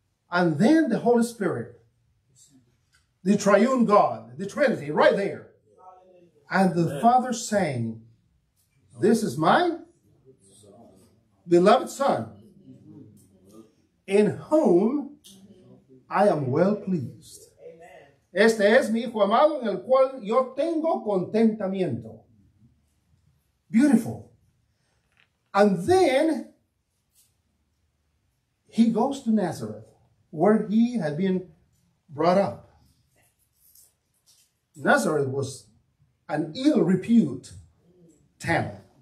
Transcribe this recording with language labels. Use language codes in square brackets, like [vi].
[en] And then the Holy Spirit, the triune God, the Trinity, right there. And the Father saying, "This is my beloved Son, in whom I am well pleased. [es] Este es mi hijo amado en el cual yo tengo contentamiento." [en] Beautiful. And then he goes to Nazareth, where he had been brought up. Nazareth was an ill repute town.